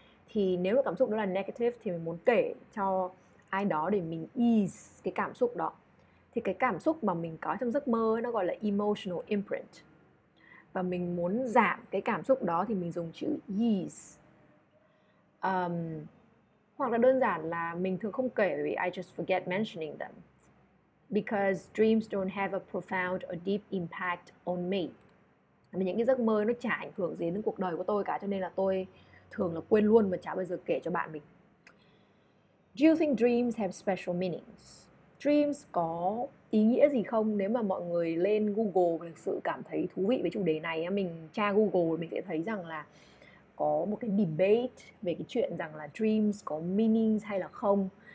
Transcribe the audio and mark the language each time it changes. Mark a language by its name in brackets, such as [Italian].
[Vietnamese] Thì nếu mà cảm xúc đó là negative thì mình muốn kể cho ai đó để mình ease cái cảm xúc đó. Thì cái cảm xúc mà mình có trong giấc mơ ấy, nó gọi là emotional imprint. Và mình muốn giảm cái cảm xúc đó thì mình dùng chữ ease. Hoặc là đơn giản là mình thường không kể vì [English] I just forget mentioning them. Because dreams don't have a profound or deep impact on me. [Vietnamese] Những cái giấc mơ nó chả ảnh hưởng gì đến cuộc đời của tôi cả, cho nên là tôi thường là quên luôn mà chả bao giờ kể cho bạn mình. [English] Do you think dreams have special meanings? [Vietnamese] Dreams có ý nghĩa gì không? Nếu mà mọi người lên Google và thực sự cảm thấy thú vị với chủ đề này, mình tra Google mình sẽ thấy rằng là có một cái debate về cái chuyện rằng là dreams có meanings hay là không.